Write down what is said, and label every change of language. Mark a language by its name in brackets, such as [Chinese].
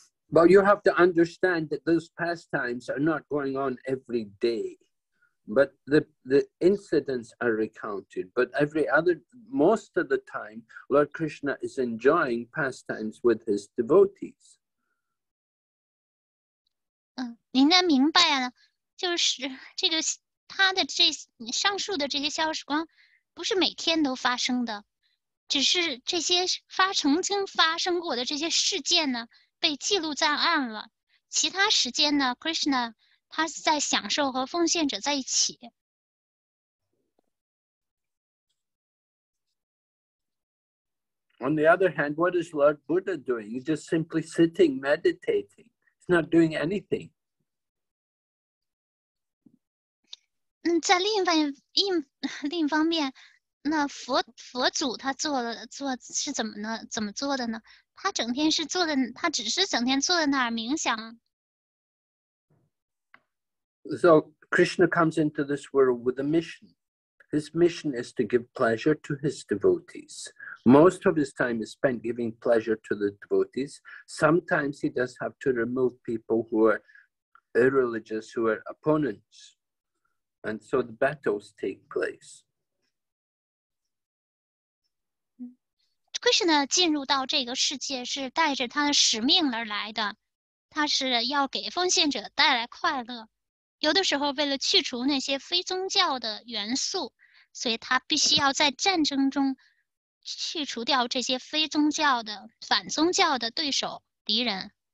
[English] Well, you have to understand that those pastimes are not going on every day, but the incidents are recounted. But most of the time, Lord Krishna is enjoying pastimes with his devotees. [Chinese] 您的明白啊，就是这个他的这上述的这些消时光，不是每天都发生的，只是这些曾经发生过的这些事件呢，被记录在案了。其他时间呢 ，Krishna 他在享受和奉献者在一起。 [English] On the other hand, what is Lord Buddha doing? He's just simply sitting, meditating. He's not doing anything. [Chinese] 在另一方面，那佛祖他做是怎么做的呢？他整天是坐在，他只是整天坐在那儿冥想。 [English] So Krishna comes into this world with a mission. His mission is to give pleasure to his devotees. Most of his time is spent giving pleasure to the devotees. Sometimes he does have to remove people who are irreligious, who are opponents, and so the battles take place. [Chinese] Krishna 进入到这个世界是带着他的使命而来的，他是要给奉献者带来快乐。有的时候为了去除那些非宗教的元素，所以他必须要在战争中去除掉这些非宗教的、反宗教的对手、敌人。